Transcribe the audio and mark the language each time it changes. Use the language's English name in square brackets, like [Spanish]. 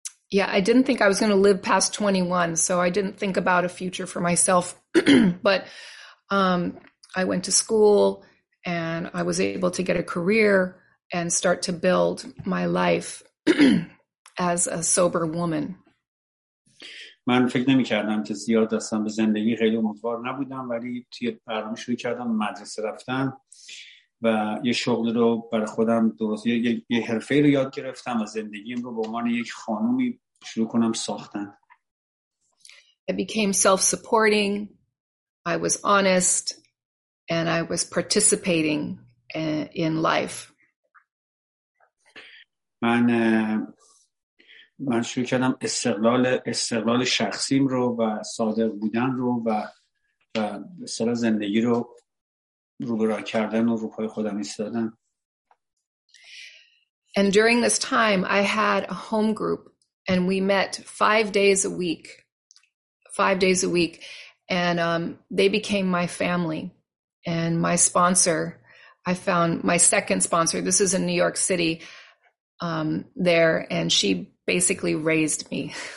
[English] Yeah, I didn't think I was going to live past 21, so I didn't think about a future for myself. But I went to school and I was able to get a career and start to build my life. As a sober woman. [Persian] من فکر نمی‌کردم که زیاد داشتم به زندگی خیلی امیدوار نبودم ولی توی برنامه شروع کردم مدرسه رفتن و یه شغل رو برای خودم درست یه حرفه رو یاد گرفتم و زندگیم رو به عنوان یک خانومی شروع کنم ساختن. [English] I became self-supporting. I was honest and I was participating in life. [Persian] من شروع کردم استقلال شخصیم رو و صادق بودن رو و سر زندگی رو روبرو کردن و روپای خودم ایستادن. [English] And during this time I had a home group and we met 5 days a week and they became my family and my sponsor. I found my second sponsor. This is in New York City there and she basically raised me.